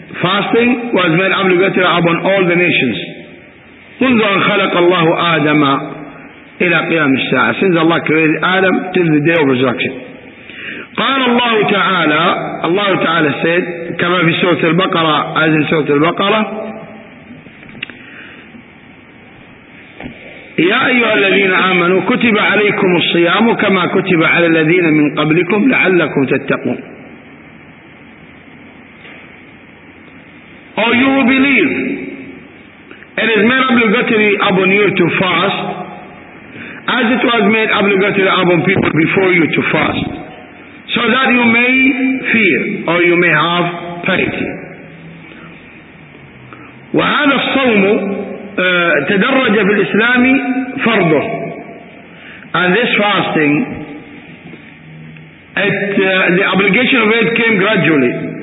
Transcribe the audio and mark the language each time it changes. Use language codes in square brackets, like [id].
[en] Fasting was made obligatory upon all the nations. [ar] منذ أن خلق الله آدم إلى قيام الساعة. [en] Since Allah created Adam till the day of resurrection. [ar] قال الله تعالى, الله تعالى [en] said, [ar] كما في سورة البقرة, [en] as in [ar] سورة البقرة, يا أيها الذين آمنوا كتب عليكم الصيام كما كتب على الذين من قبلكم لعلكم تتقون. [en] Or you who believe, it is made obligatory upon you to fast, as it was made obligatory upon people before you to fast, so that you may fear or you may have piety. [ar] وهذا الصوم تدرج في الإسلام فرضه. [en] And this fasting, the obligation of it came gradually.